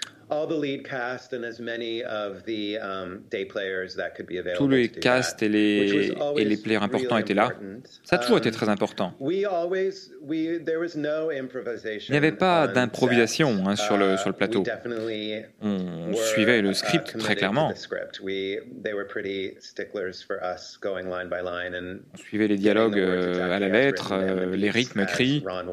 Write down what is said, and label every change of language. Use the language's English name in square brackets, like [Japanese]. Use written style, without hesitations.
[English] All the lead cast and as many of the day players that could be available. [French] Tous les casts et les players importants étaient là. Ça a toujours été très important. [English] There was no improvisation. [French] Il n'y avait pas d'improvisation sur le plateau. On suivait le script très clairement. [English] They were pretty sticklers for us going line by line and [French] on suivait les dialogues à la lettre, les rythmes écrits.